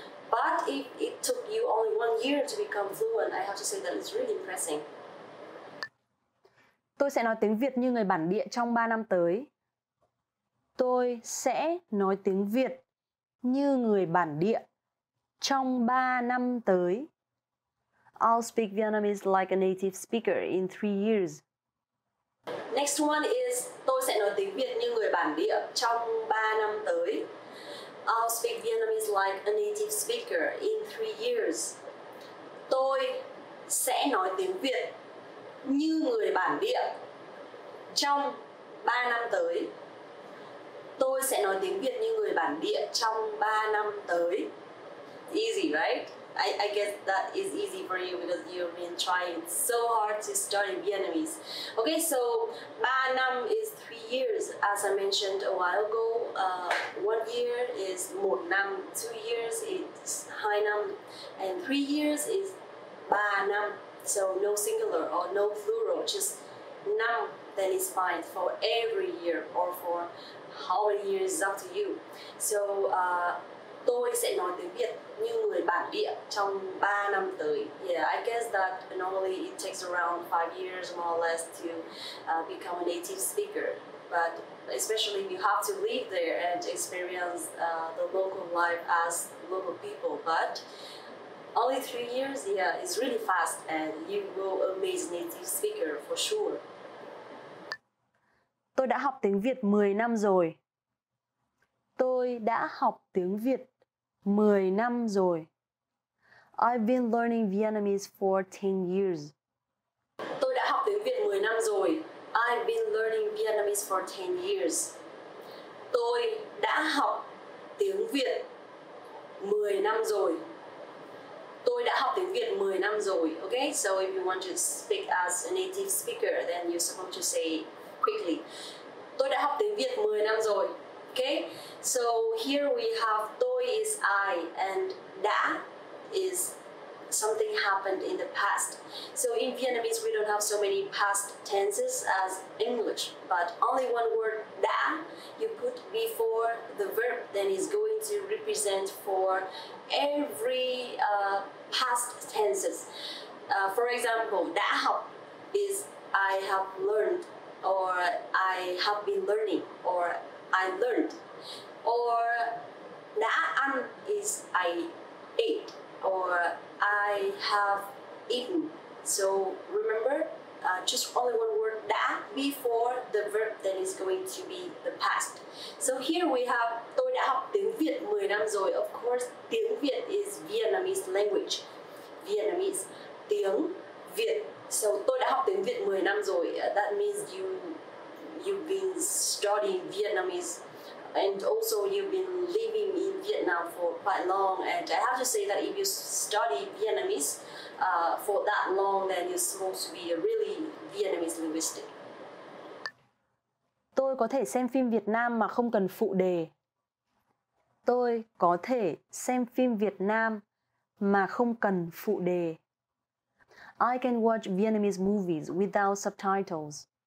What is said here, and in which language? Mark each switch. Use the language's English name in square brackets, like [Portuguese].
[English] But it took you only 1 year to become fluent. I have to say that it's really impressive. [Vietnamese] Tôi sẽ nói tiếng Việt như người bản địa trong 3 năm tới. Tôi sẽ nói tiếng Việt như người bản địa trong 3 năm tới. [English] I'll speak Vietnamese like a native speaker in 3 years. Next one is [Vietnamese] tôi sẽ nói tiếng Việt như người bản địa trong 3 năm tới. [English] I'll speak Vietnamese like a native speaker in 3 years. [Vietnamese] Tôi sẽ nói tiếng Việt như người bản địa trong 3 năm tới. Tôi sẽ nói tiếng Việt như người bản địa trong 3 năm tới. [English] Easy, right? I guess that is easy for you because you've been trying so hard to study Vietnamese. Okay, so 3 năm is 3 years. As I mentioned a while ago, 1 year is 1 năm, 2 years is 2 năm, and 3 years is 3 năm. So no singular or no plural, just năm, then it's fine for every year or for how many years is up to you. [Vietnamese] So, tôi sẽ nói tiếng Việt như người bản địa trong 3 năm tới. [English] Yeah, I guess that normally it takes around 5 years more or less to become a native speaker. But especially if you have to live there and experience the local life as local people. But only 3 years, yeah, it's really fast and you will amaze native speaker for sure. [Vietnamese] Tôi đã học tiếng Việt 10 năm rồi. Tôi đã học tiếng Việt 10 năm rồi. [English] I've been learning Vietnamese for 10 years. [Vietnamese] Tôi đã học tiếng Việt 10 năm rồi. [English] I've been learning Vietnamese for 10 years. [Vietnamese] Tôi đã học tiếng Việt 10 năm rồi. Tôi đã học tiếng Việt 10 năm rồi. [English] Okay, so if you want to speak as a native speaker, then you're supposed to say quickly. [Vietnamese] Tôi đã học tiếng Việt 10 năm rồi. [English] Okay? So here we have tôi is I and đã is something happened in the past. So in Vietnamese we don't have so many past tenses as English, but only one word đã you put before the verb then is going to represent for every past tenses. For example, đã học is I have learned or I have been learning or I learned. Or đã ăn is I ate or I have eaten. So remember, just only one word đã before the verb that is going to be the past. So here we have [Vietnamese] tôi đã học tiếng Việt 10 năm rồi. [English] Of course, tiếng Việt is Vietnamese language. Vietnamese. [Vietnamese] Tiếng Việt. So tôi đã học tiếng Việt 10 năm rồi. [English] That means you've been studying Vietnamese and also you've been living in Vietnam for quite long. And I have to say that if you study Vietnamese for that long, then you're supposed to be a really Vietnamese linguist. [Vietnamese] Tôi có thể xem phim Việt Nam mà không cần phụ đề. Tôi có thể xem phim Việt Nam mà không cần phụ đề. [English] I can watch Vietnamese movies without subtitles.